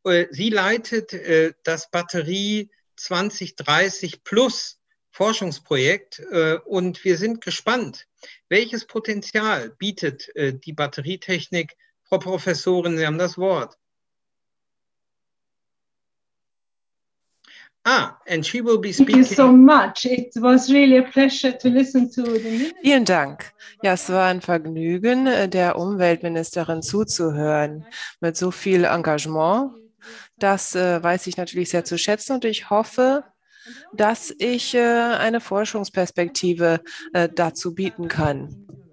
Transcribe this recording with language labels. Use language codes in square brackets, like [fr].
[de] Sie leitet das Batterie 2030 Plus Forschungsprojekt und wir sind gespannt, welches Potenzial bietet die Batterietechnik. Frau Professorin, Sie haben das Wort. [en] And she will be speaking. Thank you so much. It was really a pleasure to listen to the minister. [de] Vielen Dank. Ja, es war ein Vergnügen, der Umweltministerin zuzuhören mit so viel Engagement. Das weiß ich natürlich sehr zu schätzen und ich hoffe, dass ich eine Forschungsperspektive dazu bieten kann.